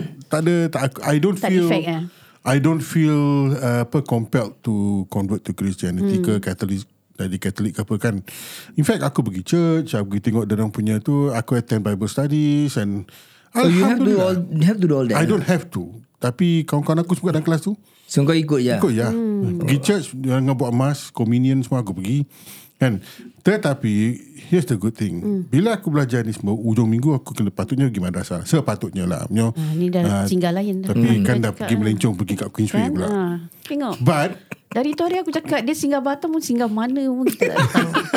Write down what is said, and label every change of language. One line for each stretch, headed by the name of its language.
Malay: Tak ada,
English: I don't feel compelled to convert to Christianity ke Catholic.
Malay: Jadi Katolik ke apa kan.
English: In fact,
Malay: aku pergi church. Aku pergi tengok dorang punya tu. Aku
English: attend Bible studies. And so you have to do all that? I don't have to.
Malay: Tapi kawan-kawan aku semua dalam kelas tu. So kau ikut je? Ikut je. Pergi church dengan buat mass, communion semua aku pergi. Kan? Tetapi,
English: here's the good thing.
Malay: Bila aku belajar ni semua, ujung minggu aku kena patutnya pergi madrasah. Sepatutnya lah. Ini dah tinggal lain dah. Tapi kan dah pergi melencong, pergi kat Queensway kan, pula. Tengok.
English: But,
Malay: dari tu hari aku cakap, dia singgah Batam pun singgah mana pun kita tak tahu.